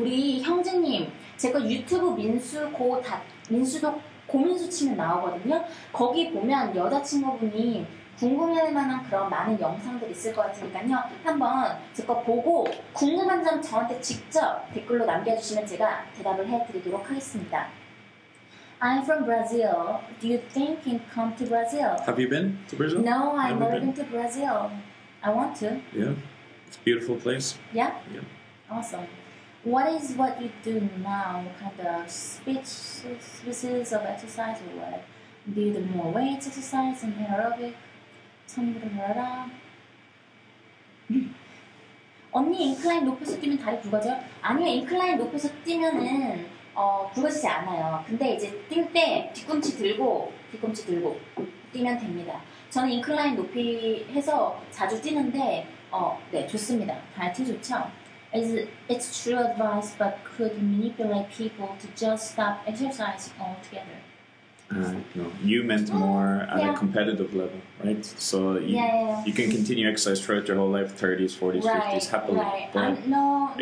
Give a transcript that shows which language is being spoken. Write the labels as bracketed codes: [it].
[ko] 우리 형제님, 제 거 유튜브 민수도 고민수 치면 나오거든요. 거기 보면 여자친구분이 궁금해할 만한 그런 많은 영상들이 있을 것 같으니까요. 한번 제 거 보고 궁금한 점 저한테 직접 댓글로 남겨주시면 제가 대답을 해드리도록 하겠습니다. [en] I'm from Brazil. Do you think you can come to Brazil? Have you been to Brazil? No, I've never, been to Brazil. I want to. Yeah, it's a beautiful place. Yeah? Yeah. Awesome. What is what you do now? What kind of species of exercise or what? Do you do more weight exercise and aerobic? [ko] 참고로 언니 인클라인 높여서 뛰면 다리 굵어져? 아니요, 인클라인 높여서 뛰면은 굵어지지 않아요. 근데 이제 뛸 때 뒤꿈치 들고 뛰면 됩니다. 저는 인클라인 높이 해서 자주 뛰는데 네, 좋습니다. 다이어트 좋죠? [en] it's true advice, but could manipulate people to just stop exercise altogether. No, you meant more at a competitive level, right? So you can continue exercise throughout your whole life, 30s, 40s, right, 50s, happily. Right. But